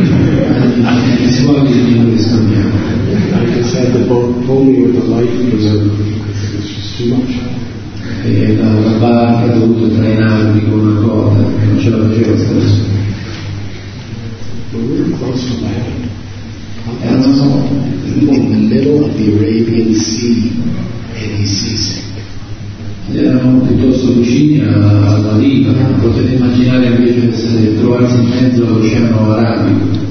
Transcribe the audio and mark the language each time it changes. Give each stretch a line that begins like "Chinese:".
Italian: Gli squali mi hanno risparmiato.
English: I just had the boat pull me with a life preserver because it was just too much.
Italian: E la barca ha dovuto trainarmi con una corda che non ce la faceva stesso.
English: We were close to land. In the middle of the Arabian Sea and he's seasick.
Italian: Eravamo piuttosto vicini alla riva, potete immaginare invece essere trovarsi in mezzo all'oceano arabico.